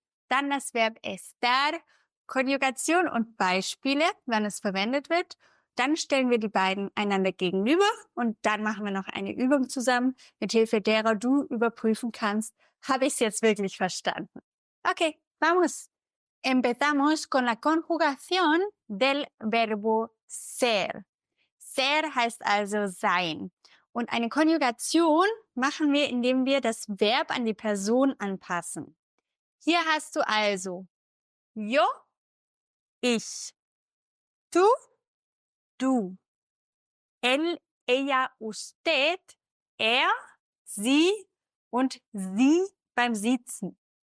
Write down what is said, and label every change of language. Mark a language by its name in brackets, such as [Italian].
[German] Dann das Verb estar, Konjugation und Beispiele, wann es verwendet wird. Dann stellen wir die beiden einander gegenüber und dann machen wir noch eine Übung zusammen, mit Hilfe derer du überprüfen kannst, habe ich es jetzt wirklich verstanden. [Spanish] Ok, vamos. Empezamos con la conjugación del verbo ser. [German] Ser heißt also sein. Und eine Konjugation machen wir, indem wir das Verb an die Person anpassen. Hier hast du also yo, ich, tú, du, [Spanish] él, ella, usted, [German] er, sie und sie beim Sitzen.